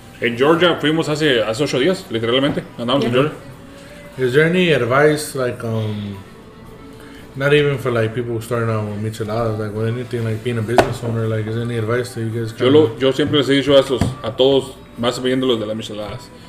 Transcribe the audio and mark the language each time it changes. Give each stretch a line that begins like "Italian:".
Spanish: En Georgia, fuimos hace 8 días, literalmente, andamos en Georgia.
English: Is there any advice, like, not even for, like, people starting out with micheladas, like, with anything, like, being a business owner, like, is there any advice that you guys can...
Spanish: Yo siempre les he dicho a todos, más viendo los de las micheladas.